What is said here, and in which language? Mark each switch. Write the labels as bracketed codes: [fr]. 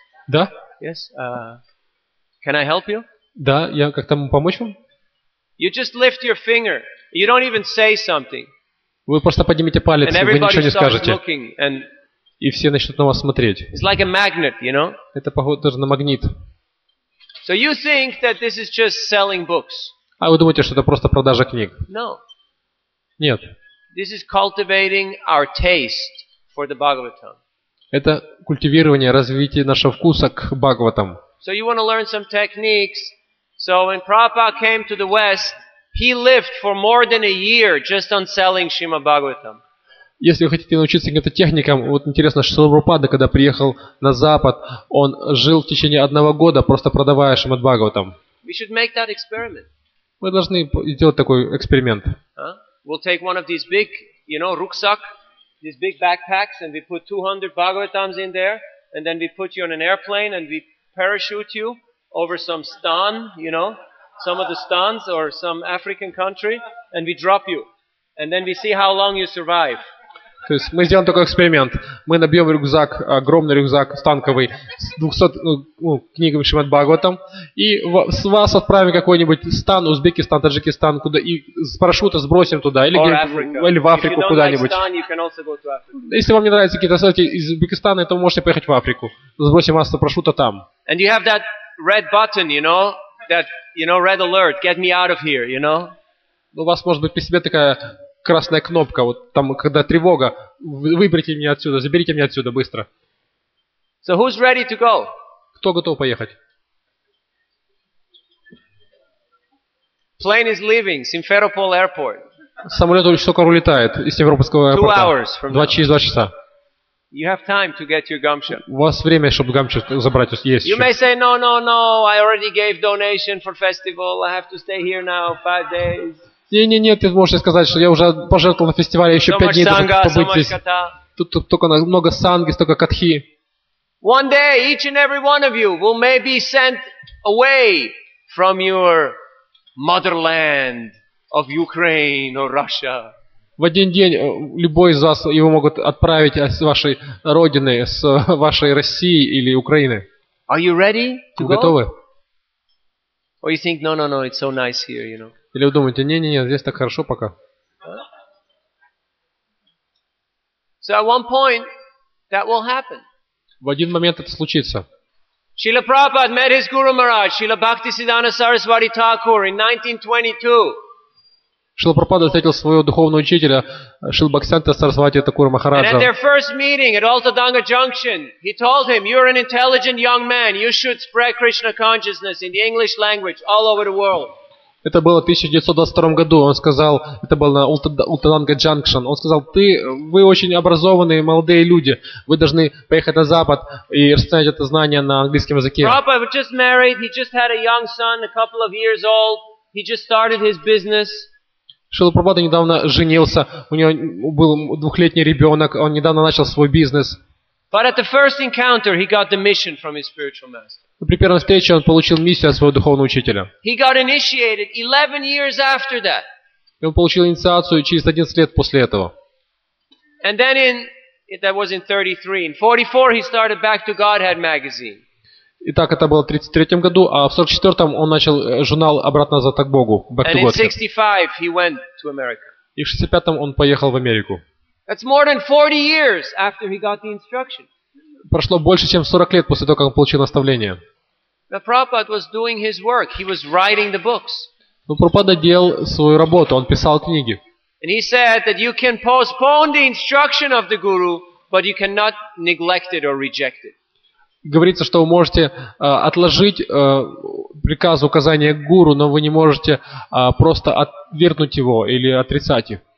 [ru] Да? [en] Yes. Can I help you? [ru] Да, я как-то могу помочь вам? [en] You just lift your finger. You don't even say something. [ru] Вы просто поднимите палец, [en] and [ru] вы ничего не скажете. [en] Looking, and [ru] и все начнут на вас смотреть. [en] It's like a magnet, you know? [ru] Это похоже на магнит. [en] So you think that this is just selling books? [ru] А вы думаете, что это просто продажа книг? [en] No. [ru] Нет. [en] This is cultivating our taste for the Bhagavatam. [ru] Это культивирование, развитие нашего вкуса к Бхагаватам. [en] So you want to learn some techniques. So when Prabhupada came to the West, he lived for more than a year just on selling Srimad Bhagavatam. [ru] Если вы хотите научиться каким-то техникам, вот интересно, что Прабхупада, когда приехал на Запад, он жил в течение одного года, просто продавая Шримад Бхагаватам. [en] We should make that experiment. [ru] Мы должны сделать такой эксперимент. [en] We'll take one of these big, you know, rucksack, these big backpacks, and we put 200 Bhagavatams in there, and then we put you on an airplane, and we parachute you over some stan, you know, some of the stans or some African country, and we drop you. And then we see how long you survive. [ru] То есть мы сделаем такой эксперимент. Мы набьем рюкзак, огромный рюкзак, станковый, с 200 книгами Шримад Бхагаватам, и с вас отправим какой-нибудь стан, Узбекистан, Таджикистан, куда и с парашюта сбросим туда, или в Африку куда-нибудь. [en] Like stan, you can also go to Africa. [ru] Если вам не нравятся какие-то статьи из Узбекистана, то вы можете поехать в Африку. Сбросим вас с парашюта там. [en] And you have that red button, you know, that, you know, red alert, get me out of here, you know? [ru] У вас может быть при себе такая красная кнопка, вот там, когда тревога, выберите меня отсюда, заберите меня отсюда быстро. [en] So who's ready to go? [ru] Кто готов поехать? [en] Plane is leaving, Simferopol Airport. [ru] Самолет уже только улетает из Симферопольского аэропорта. [en] Two hours from now. [ru] Через два часа. [en] You have time to get your gumshoe. [ru] У вас время, чтобы гамшу забрать, есть. [en] You [ru] еще. [en] May say, no, no, no, I already gave donation for festival. I have to stay here now 5 days. [ru] Не-не-не, ты можешь сказать, что я уже пожертвовал на фестивале еще 5 дней, чтобы побыть здесь. Тут только много санги, столько катхи. [en] One day, each and every one of you will maybe sent away from your motherland of Ukraine or Russia. [ru] В один день любой из вас его могут отправить с вашей родины, с вашей России или Украины. [en] Are you ready to go? [ru] Готовы? [en] Or you think, no, no, no, it's so nice here, you know? [ru] Или вы думаете, не-не-не, здесь так хорошо пока. [en] So at one point, that will happen. [ru] В один момент это случится. [en] Srila Prabhupada met his Guru Maharaj, Srila Bhaktisiddhanta Saraswati Thakur, in 1922. [ru] Srila Prabhupada встретил своего духовного учителя, Srila Bhaktisiddhanta Saraswati Thakur Maharaja. [en] And at their first meeting at Altadanga Junction, he told him, you're an intelligent young man, you should spread Krishna consciousness in the English language all over the world. [ru] Это было в 1922 году. Он сказал, это было на Ултананга Джанкшн. Он сказал, вы очень образованные молодые люди. Вы должны поехать на Запад и распространять это знание на английском языке. [en] Prabhupada just married. He just had a young son, a couple of years old. He just started his business. [ru] Шрила Прабхупада недавно женился. У него был 2-летний ребенок. Он недавно начал свой бизнес. [en] But at the first encounter, he got the mission from his spiritual master. [ru] При первой встрече он получил миссию от своего духовного учителя. [en] He got initiated 11 years after that. [ru] И он получил инициацию через 11 лет после этого. [en] And then in that was in 33. In 44 he started Back to Godhead magazine. [ru] Итак, это было в 33 году, а в 44 он начал журнал «Обратно назад к Богу», «Back to Godhead». [en] And in 65 he went to America. [ru] И в 65 он поехал в Америку. [en] That's more than 40 years after he got the instruction. [ru] Прошло больше, чем 40 лет после того, как он получил наставление. [en] The Prabhupada was doing his work. He was writing the books. [ru] Но Прабхупада делал свою работу, он писал книги. [en] And he said that you can postpone the instruction of the guru, but you cannot neglect it or reject it. [ru] Говорится, что вы можете отложить приказ, указание гуру, но вы не можете просто отвергнуть его или отрицать